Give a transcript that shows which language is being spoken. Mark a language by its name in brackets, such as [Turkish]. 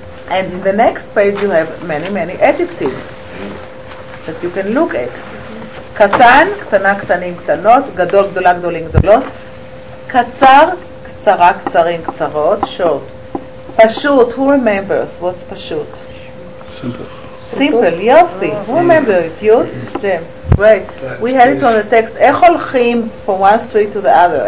[English] And in the next page you have many, many adjectives that you can look at. [Hebrew] קטן, קטנה, קטנים, קטנות, גדול, גדולה, גדולים, גדולות, קצר, קצרה, קצרים, קצרות, [English] short. Pashut, who remembers what's Pashut? Simple. Yofi. Oh, who remembers it? You? James. Great. We had it on the text. [Hebrew] Ech holchim [English] from one street to the other.